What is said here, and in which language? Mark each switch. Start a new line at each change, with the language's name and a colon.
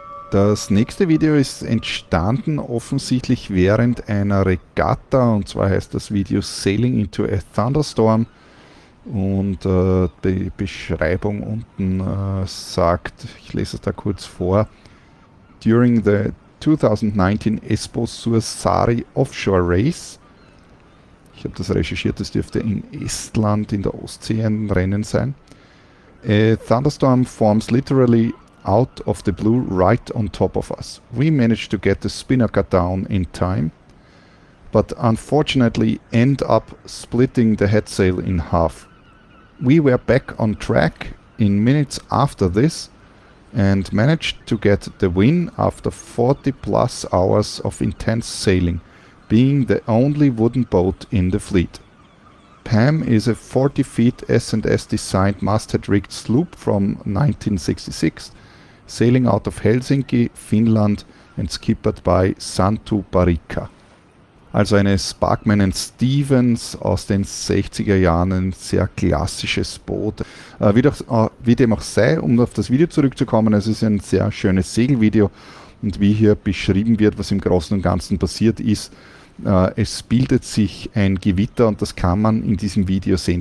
German: Das nächste Video ist entstanden offensichtlich während einer Regatta und zwar heißt das Video Sailing into a Thunderstorm und die Beschreibung unten sagt, ich lese es da kurz vor,
English: during the 2019 Espoo Suursaari Offshore Race.
German: Ich habe das recherchiert, das dürfte in Estland in der Ostsee ein Rennen sein.
English: A thunderstorm forms literally out of the blue right on top of us. We managed to get the spinnaker cut down in time, but unfortunately end up splitting the head sail in half. We were back on track in minutes after this and managed to get the win after 40 plus hours of intense sailing, being the only wooden boat in the fleet. PAM is a 40 feet S&S designed masthead rigged sloop from 1966, sailing out of Helsinki, Finland and skippered by Santu Parikka.
German: Also eine Sparkman & Stevens aus den 60er Jahren, ein sehr klassisches Boot. Wie dem auch sei, um auf das Video zurückzukommen, es ist ein sehr schönes Segelvideo und wie hier beschrieben wird, was im Großen und Ganzen passiert ist, es bildet sich ein Gewitter und das kann man in diesem Video sehen.